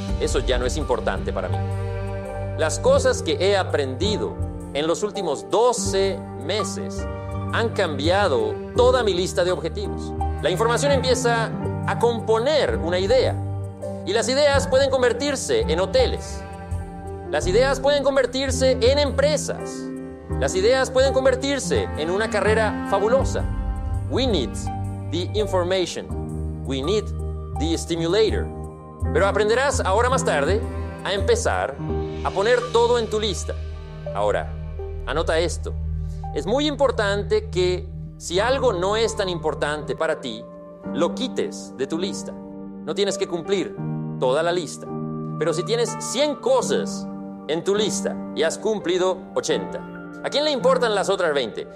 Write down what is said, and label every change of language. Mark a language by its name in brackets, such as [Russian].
[Spanish] Eso ya no es importante para mí. Las cosas que he aprendido en los últimos 12 meses han cambiado toda mi lista de objetivos. La información empieza a componer una idea. Y las ideas pueden convertirse en hoteles. Las ideas pueden convertirse en empresas. Las ideas pueden convertirse en una carrera fabulosa. [English] We need the information. We need the stimulator. [Spanish] Pero aprenderás ahora más tarde a empezar a poner todo en tu lista. Ahora, anota esto. Es muy importante que si algo no es tan importante para ti, lo quites de tu lista. No tienes que cumplir toda la lista. Pero si tienes 100 cosas en tu lista y has cumplido 80, ¿a quién le importan las otras 20?